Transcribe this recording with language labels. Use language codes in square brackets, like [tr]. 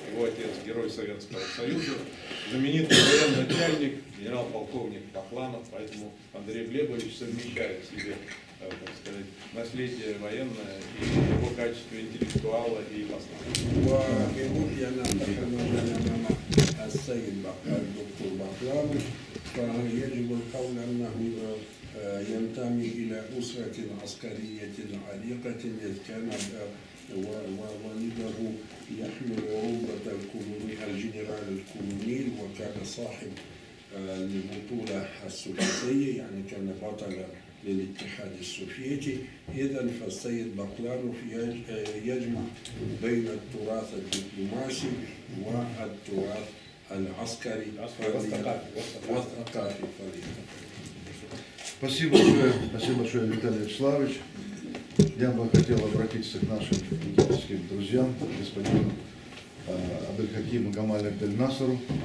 [ru] Его отец герой Советского Союза, знаменитый военный начальник, генерал-полковник Бакланов, поэтому Андрей Глебович совмещает в себе, так сказать, наследие военное и его качество интеллектуала и посла. [ar] ينتمي إلى أسرة عسكرية عريقة إذ كان والده يحمل رتبة الجنرال الكولونيل وكان صاحب البطولة السوفيتية يعني كان بطل للاتحاد السوفيتي إذن فالسيد باكلانوف يجمع بين التراث الدبلوماسي والتراث العسكري والثقافي فريقا. [ru] Спасибо большое, Виталий Вячеславович. Я бы хотел обратиться к нашим египетским друзьям, господину Абдель-Хакиму Гамаль Абдель-Насару.